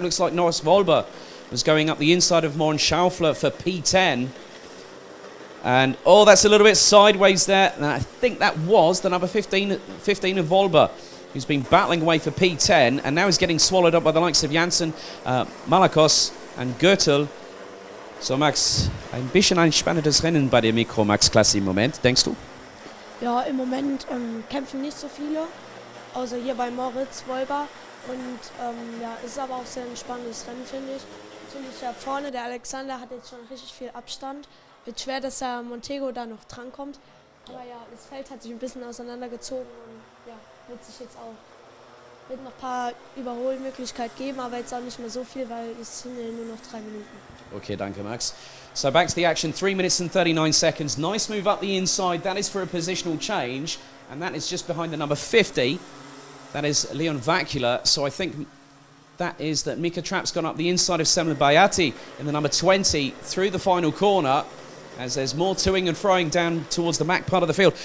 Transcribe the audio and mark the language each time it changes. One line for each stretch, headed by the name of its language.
English: Looks like Norris Wolber was going up the inside of Morten Schaufler for P10. And, oh, that's a little bit sideways there. And I think that was the number 15 of Wolber, who's been battling away for P10, and now is getting swallowed up by the likes of Jansen, Malakos, and Gürtel.
German: So Max, ein bisschen ein spannendes Rennen bei der Micromax-Klasse im Moment, denkst du? Ja, im Moment kämpfen nicht so viele, außer hier bei Moritz Wolber. Und ja, ist aber auch sehr ein spannendes Rennen, finde ich. Natürlich da vorne, der Alexander hat jetzt schon richtig viel Abstand. Wird schwer, dass der Montego da noch drankommt. Aber ja, das Feld hat sich ein bisschen auseinandergezogen und ja, wird sich jetzt auch, wird noch ein paar Überholmöglichkeiten geben, aber jetzt auch nicht mehr so viel, weil es sind ja nur noch 3 Minuten. Okay, danke Max.
English: So back to the action, 3:39. Nice move up the inside, that is for a positional change, and that is just behind the number 50. That is Leon Vakula, so I think that is that Mika Trapp's gone up the inside of Semel Bayati in the number 20 through the final corner, as there's more toing and froing down towards the back part of the field.